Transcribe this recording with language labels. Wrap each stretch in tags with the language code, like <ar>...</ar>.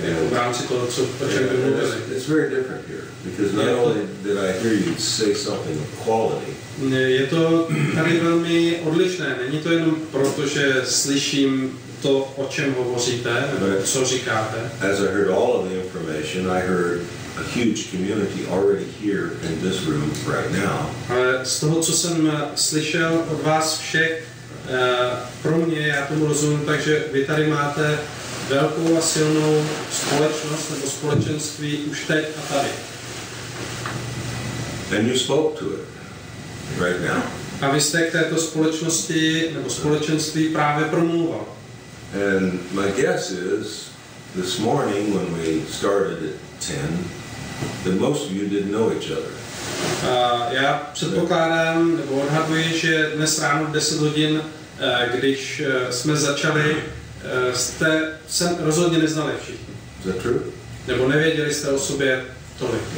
<cs>V rámci toho, o čem by mluvili.</cs> <en>It's very different here, because not only did I hear you say something of quality.</en> <cs>Je to tady velmi odlišné. Není to jenom proto, že slyším to, o čem hovoříte, co říkáte.</cs> <en>As I heard all of the information, I heard a huge community already here in this room right now.</en> <cs>Z toho, co jsem slyšel od vás všech, pro mě, já tomu rozumím, takže vy tady máte velkou a silnou společnost nebo společenství už teď a tady.</cs> <en>And you spoke to it right now.</en> <cs>A vy jste k této společnosti nebo společenství právě promluval.</cs> <en>And my guess is this morning when we started at 10, that most of you didn't know each other.</en> <cs>Já předpokládám nebo odhaduji, že dnes ráno 10 hodin, když jsme začali, jste se rozhodně neznali všichni.</cs> <en>Is that true?</en> <cs>Nebo nevěděli jste o sobě tolik.</cs>